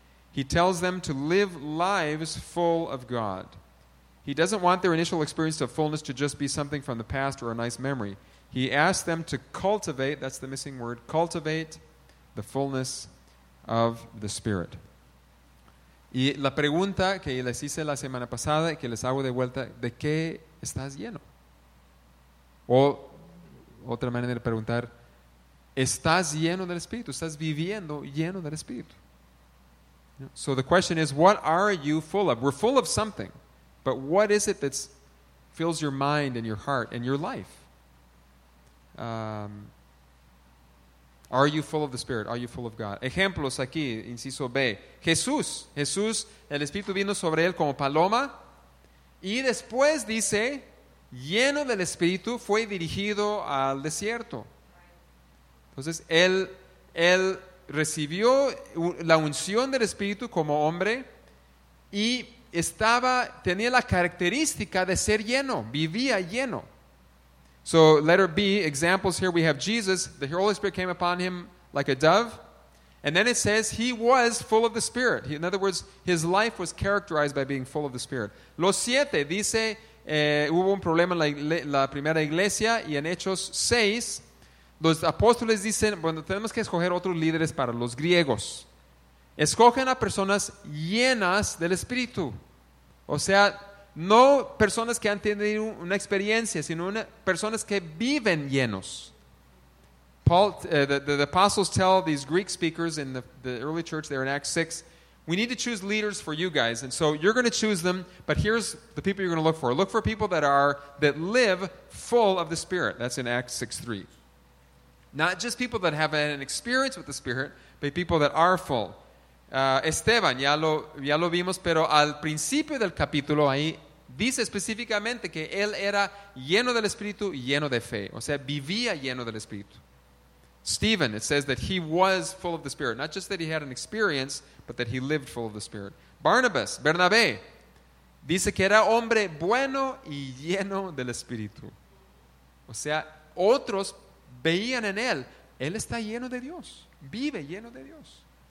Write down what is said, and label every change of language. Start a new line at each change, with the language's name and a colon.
English: He tells them to live lives full of God. He doesn't want their initial experience of fullness to just be something from the past or a nice memory. He asked them to cultivate, that's the missing word, cultivate the fullness of the Spirit.
Spanish: Y la pregunta que les hice la semana pasada y que les hago de vuelta, ¿de qué estás lleno? O otra manera de preguntar, ¿estás lleno del Espíritu? ¿Estás viviendo lleno del Espíritu?
English: So the question is, what are you full of? We're full of something, but what is it that fills your mind and your heart and your life? Are you full of the Spirit? Are you full of God?
Spanish: Ejemplos aquí, inciso B. Jesús, el Espíritu vino sobre él como paloma y después dice, lleno del Espíritu, fue dirigido al desierto. Entonces, él recibió la unción del Espíritu como hombre y tenía la característica de ser lleno, vivía lleno.
English: So letter B, examples here, we have Jesus, the Holy Spirit came upon him like a dove, and then it says he was full of the Spirit. In other words, his life was characterized by being full of the Spirit.
Spanish: Los siete, dice, hubo un problema en la primera iglesia, y en Hechos 6, los apóstoles dicen, bueno, tenemos que escoger otros líderes para los griegos. Escogen a personas llenas del Espíritu, o sea, no personas que han tenido una experiencia, sino personas que viven llenos.
English: Paul, the apostles tell these Greek speakers in the early church there in Acts 6, we need to choose leaders for you guys, and so you're going to choose them, but here's the people you're going to look for. Look for people that live full of the Spirit. That's in Acts 6:3. Not just people that have an experience with the Spirit, but people that are full.
Spanish: Esteban, ya lo vimos, pero al principio del capítulo ahí dice específicamente que él era lleno del Espíritu y lleno de fe, o sea, vivía lleno del Espíritu.
English: Stephen, it says that he was full of the Spirit, not just that he had an experience, but that he lived full of the Spirit.
Spanish: Bernabé, dice que era hombre bueno y lleno del Espíritu. O sea, otros veían en él está lleno de Dios, vive lleno de Dios.